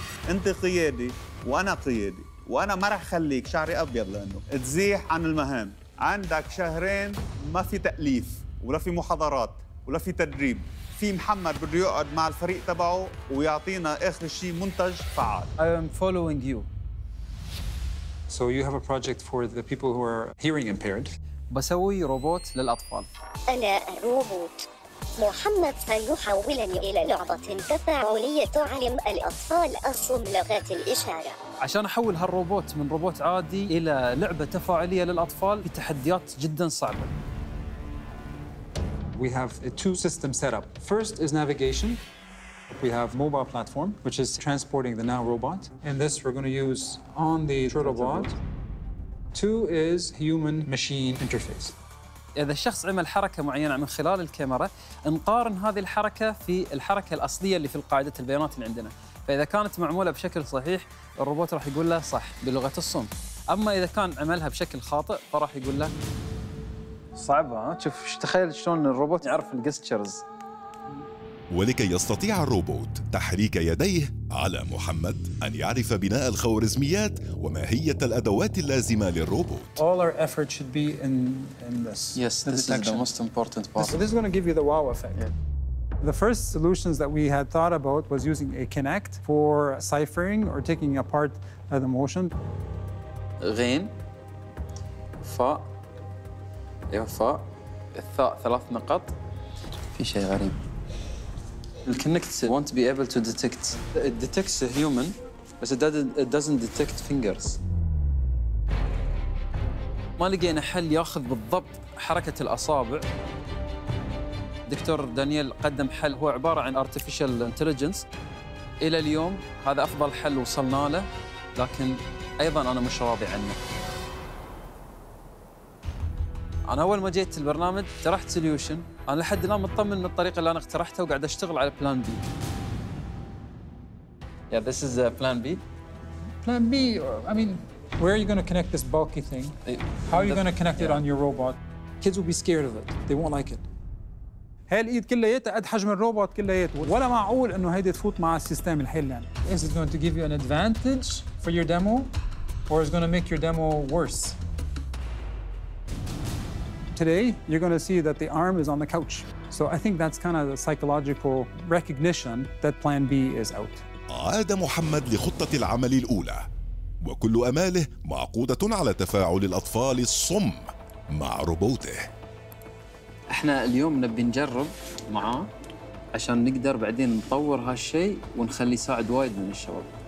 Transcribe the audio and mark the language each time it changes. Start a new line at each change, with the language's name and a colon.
Arabic: أنت قيادي وأنا قيادي، وأنا ما رح خليك شعري أبيض لأنه تزيح عن المهام. عندك شهرين ما في تأليف ولا في محاضرات ولا في تدريب. في محمد بده يقعد مع الفريق تبعه ويعطينا اخر شيء منتج فعال.
English: I am following you. So you have a project for the people who are hearing impaired.
Arabic: بسوي روبوت للاطفال. انا روبوت. محمد سيحولني الى لعبه تفاعليه تعلم الاطفال الصم لغات الاشاره. عشان احول هالروبوت من روبوت عادي الى لعبه تفاعليه للاطفال في تحديات جدا صعبه.
English: We have two systems set up. First is navigation. We have mobile platform, which is transporting the now robot. And this we're going to use on the turtle bot. Two is human machine interface.
Arabic: إذا الشخص عمل حركة معينة من خلال الكاميرا، نقارن هذه الحركة في الحركة الأصلية اللي في قاعدة البيانات اللي عندنا. فإذا كانت معمولة بشكل صحيح، الروبوت راح يقول له صح بلغة الصم. أما إذا كان عملها بشكل خاطئ، فراح يقول له صعبة. شوف، تخيل شلون الروبوت يعرف الجستشرز. ولكي يستطيع الروبوت تحريك يديه، على محمد أن يعرف بناء الخوارزميات وماهية الأدوات اللازمة للروبوت.
English: All our effort should be in this. Yes, this is the most important part. This is going to give you the wow effect. Yeah. The first solutions that we had thought about was using a Kinect for ciphering or taking apart the motion.
Arabic: غين فاء إيفاء الثاء ثلاث نقط. في شيء غريب. الكنكت
English: won't be able to detect. It detects a human, but it doesn't detect fingers.
Arabic: ما لقينا حل ياخذ بالضبط حركة الأصابع. دكتور دانييل قدم حل هو عبارة عن
English: artificial intelligence.
Arabic: إلى اليوم هذا أفضل حل وصلنا له، لكن أيضاً أنا مش راضي عنه. أنا أول ما جيت البرنامج اقترحت سوليوشن، أنا لحد الآن مطمن من الطريقة اللي أنا اقترحتها وقاعد أشتغل على بلان بي.
English: Yeah, this is plan B. Plan B, I mean, where are you going to connect this bulky thing? How are you going to connect it on your robot? Kids will be scared of it. They won't like it.
Arabic: هاي الإيد كلياتها قد حجم الروبوت كلياته، ولا معقول إنه هيدي تفوت مع السيستم الحالي يعني.
English: Is it going to give you an advantage for your demo or is it going to make your demo worse? Today, you're going to see that the arm is on the couch. So I think that's kind of the psychological recognition that Plan B is out.
Arabic: عاد محمد لخطة العمل الأولى، وكل أماله معقودة على تفاعل الأطفال الصم مع روبوته. إحنا اليوم نبي نجرب معاه عشان نقدر بعدين نطور هالشيء ونخلي يساعد وايد من الشباب.